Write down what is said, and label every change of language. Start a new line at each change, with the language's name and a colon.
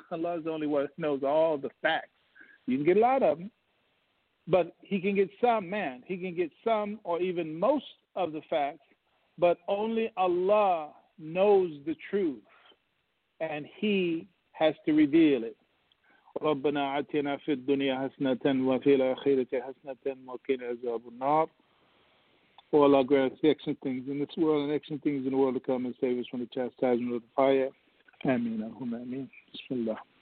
English: Allah is the only one who knows all the facts. You can get a lot of them, but He can get some, man. He can get some or even most of the facts, but only Allah knows the truth, and He has to reveal it.
Arabic: ربنا آتنا في الدنيا حسنة وفي الآخرة حسنة وقنا عذاب النار.
English: Oh Allah, grant us the excellent things in this world and excellent things in the world to come, and save us from the chastisement of the fire. Amin. Allahumma amin. Bismillah.